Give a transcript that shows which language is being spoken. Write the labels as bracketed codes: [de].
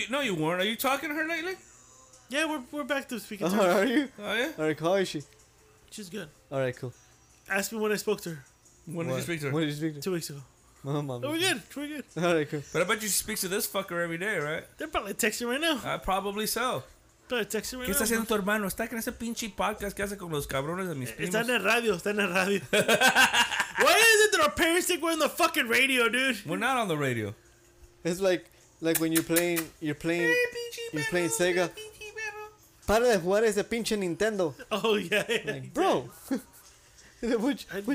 [en] No, you weren't. Are you talking to her lately? Yeah, we're back to speaking to her. Are you? Are you? All right, how is she? She's good. All right, cool. Ask me when I spoke to her. When did you speak to her? 2 weeks ago. We're good. All right, cool. But I bet you speak to this fucker every day, right? They're probably texting right now. Probably so. Probably texting right now. [es] ¿Qué está haciendo tu hermano? Está en ese pinche podcast que hace con los cabrones de mis primos. Está en el radio. [en] Why is it that our parents think we're on the fucking radio, dude? We're not on the radio. It's like when you're playing, hey, you're playing Sega. [es] Para de jugar ese pinche Nintendo. [en] Oh, yeah. Like, bro. which...